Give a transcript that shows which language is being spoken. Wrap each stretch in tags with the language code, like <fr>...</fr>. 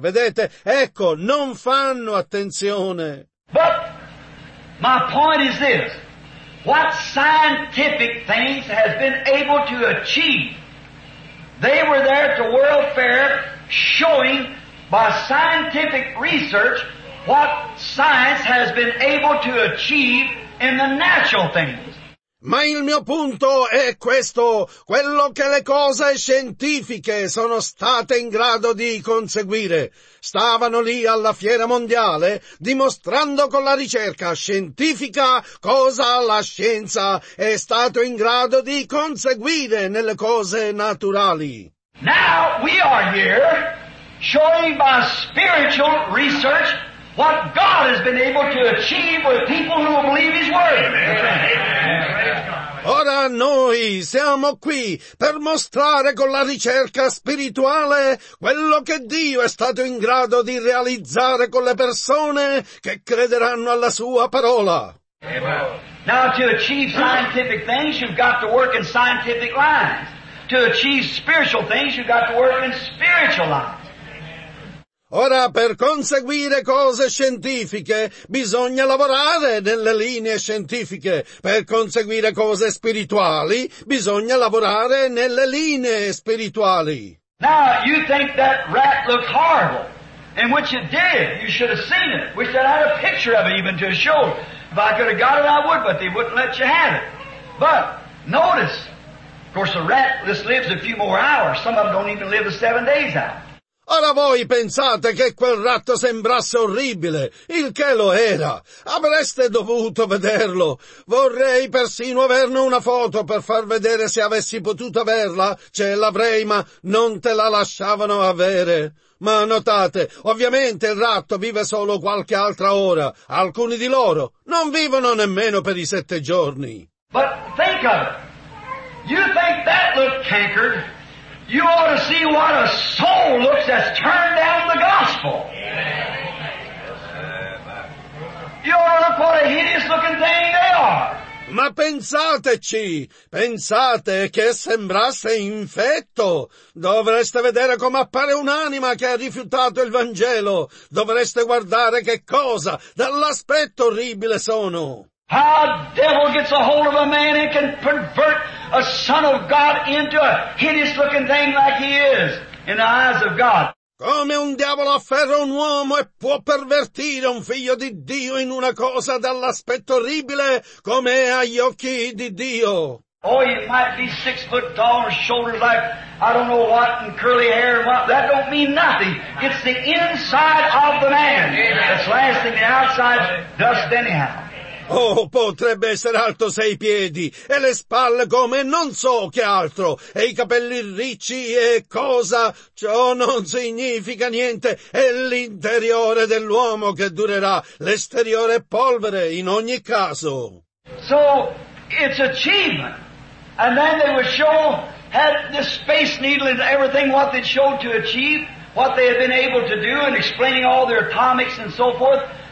<it>Vedete, ecco, non fanno attenzione.</it> <en>But my point is this, what scientific things has been able to achieve? They were there at the World Fair showing by scientific research what science has been able to achieve in the natural things.</en> <it>Ma il mio punto è questo, quello che le cose scientifiche sono state in grado di conseguire. Stavano lì alla fiera mondiale, dimostrando con la ricerca scientifica cosa la scienza è stato in grado di conseguire nelle cose naturali.</it> <en>Now we are here showing by spiritual research what God has been able to achieve with people who believe His word.</en> <it>Ora noi siamo qui per mostrare con la ricerca spirituale quello che Dio è stato in grado di realizzare con le persone che crederanno alla Sua parola.</it> <en>Now to achieve scientific things, you've got to work in scientific lines. To achieve spiritual things, you've got to work in spiritual lines.</en> <it>Ora, per conseguire cose scientifiche, bisogna lavorare nelle linee scientifiche. Per conseguire cose spirituali, bisogna lavorare nelle linee spirituali.</it> <en>Now, you think that rat looked horrible. And which it did. You should have seen it. Wish I had a picture of it even to show. If I could have got it, I would, but they wouldn't let you have it. But, notice. Of course, a rat just lives a few more hours. Some of them don't even live the 7 days out.</en> <it>Ora voi pensate che quel ratto sembrasse orribile, il che lo era. Avreste dovuto vederlo. Vorrei persino averne una foto per far vedere se avessi potuto averla. Ce l'avrei, ma non te la lasciavano avere. Ma notate, ovviamente il ratto vive solo qualche altra ora. Alcuni di loro non vivono nemmeno per i 7 giorni.</it> <en>But think of it. You think that looked cankered? You ought to see what a soul looks that's turned down the gospel. You ought to look what a hideous looking thing they are.</en> <it>Ma pensateci, pensate che sembrasse infetto. Dovreste vedere come appare un'anima che ha rifiutato il Vangelo. Dovreste guardare che cosa, dall'aspetto orribile sono.</it> <en>How a devil gets a hold of a man and can pervert a son of God into a hideous looking thing like he is. in the eyes of God.</en> <it>Come un diavolo afferra un uomo e può pervertire un figlio di Dio in una cosa dall'aspetto orribile come agli occhi di Dio.</it> <en>Oh, you might be 6 foot tall and shoulders like I don't know what and curly hair and what. That don't mean nothing. It's the inside of the man that's lasting the outside dust anyhow.</en> <it>Oh, potrebbe essere alto 6 piedi, e le spalle come non so che altro, e i capelli ricci e cosa, ciò non significa niente, è l'interiore dell'uomo che durerà, l'esteriore è polvere in ogni caso.</it> <en>So, it's achievement. And then they would show, had this space needle and everything what they showed to achieve, what they had been able to do and explaining all their atomics and so forth.</en>